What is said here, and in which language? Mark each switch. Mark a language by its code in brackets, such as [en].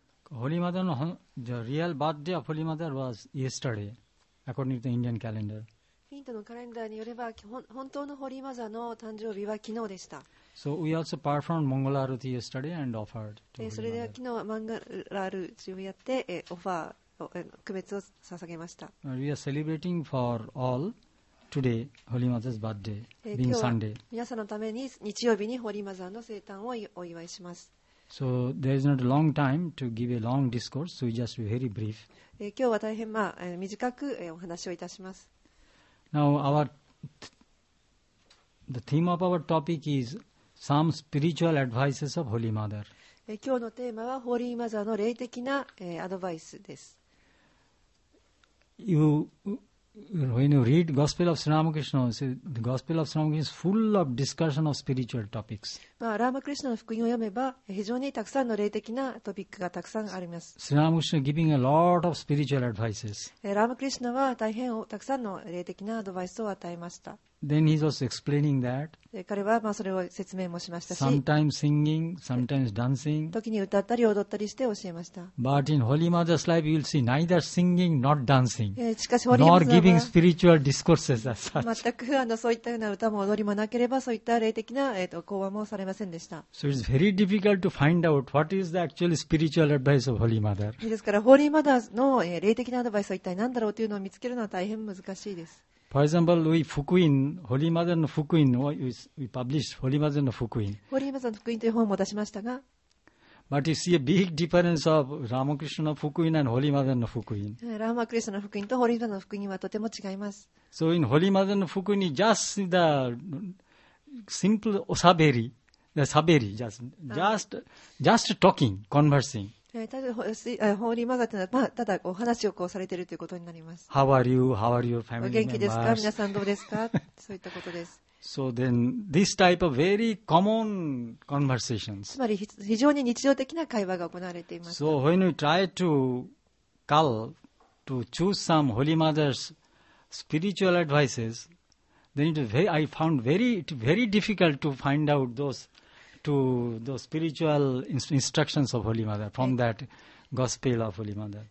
[en] Holy Mother, the real birthday of Holy Mother was yesterday, according to the Indian calendar. [ja] ヒントのカレンダーによれば本当のホリーマザーの誕生日は昨日でした。 [en] So we also performed Mangala Aruti yesterday and offered to [ja] Holy それでは昨日はマンガラアルティをやってオファー区別を捧げました。 [en] We are celebrating for all today Holy Mother's birthday being Sunday. [ja] 皆さんのために日曜日にホリーマザーの生誕をお祝いします。 [en] So there is not a long time to give a long discourse, so we just be very brief. [ja] 今日は大変まあ短くお話をいたします。 [en] Now the theme of our topic is some spiritual advices of Holy Mother. [ja] 今日のテーマはホーリーマザーの霊的なアドバイスです。 [en] When you read Gospel of Sri Ramakrishna, the Gospel of Sri Ramakrishna is full of discussion of spiritual topics. [ja] まあ、ラマクリシュナの福音を読めば非常にたくさんの霊的なトピックがたくさんあります。 [en] Sri Ramakrishna giving a lot of spiritual advices. [ja] ラマクリシュナは大変たくさんの霊的なアドバイスを与えました。 [en] Then he's also explaining that. [ja] 彼はまあそれを説明もしましたし、 [en] sometimes singing, sometimes dancing. [ja] 時に歌ったり踊ったりして教えました。 [en] But in Holy Mother's life, you will see neither singing nor dancing, [ja] しかし、 [en] nor giving spiritual discourses as such. [ja] 全くそういったような歌も踊りもなければ、そういった霊的な講話もされませんでした。 [en] So it's very difficult to find out what is the actual spiritual advice of Holy Mother. [ja] ですから、ホーリーマザーの霊的なアドバイスは一体何だろうというのを見つけるのは大変難しいです。 [en] For example, we Fukuin, Holy Mother の Fukuin, we published Holy Mother の Fukuin. [ja] Holy Mother の Fukuin という本も出しましたが、 [en] But you see a big difference of Ramakrishna の Fukuin and Holy Mother の Fukuin. [ja] Ramakrishna の Fukuin と Holy Mother の Fukuin はとても違います。 [en] So in Holy Mother の Fukuin, just the simple osaberi, the saberi, just talking, conversing. [ja] ホーリーマザーというのは、まあ、ただお話をこうされているということになります。 [en] How are you? How are your family members? [ja] お元気ですか？皆さんどうですか？そういったことです。 [en] So then, this type of very common conversations. [ja] つまり非常に日常的な会話が行われています。 [en] So when we try to call to choose some Holy Mother's spiritual advices, then I found it very difficult to find out those. To the spiritual instructions of Holy Mother from that Gospel of Holy Mother.